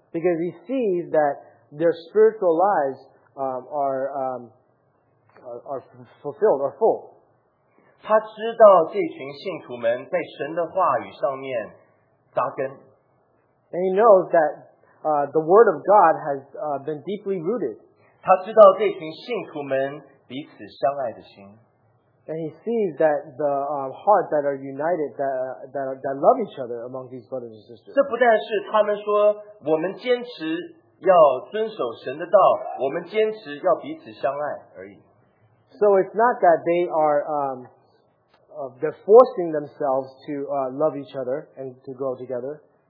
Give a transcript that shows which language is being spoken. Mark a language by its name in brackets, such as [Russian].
[English] Because he sees that their spiritual lives are fulfilled or full. [Chinese] 他知道这群信徒们在神的话语上面扎根, [English] and he knows that the word of God has been deeply rooted. [Chinese] 他知道这群信徒们彼此相爱的心, [English] and he sees that the hearts that are united, that love each other among these brothers and sisters. [Chinese] 这不但是他们说我们坚持要遵守神的道，我们坚持要彼此相爱而已。 [English] So it's not that they are they're forcing themselves to love each other and to grow together.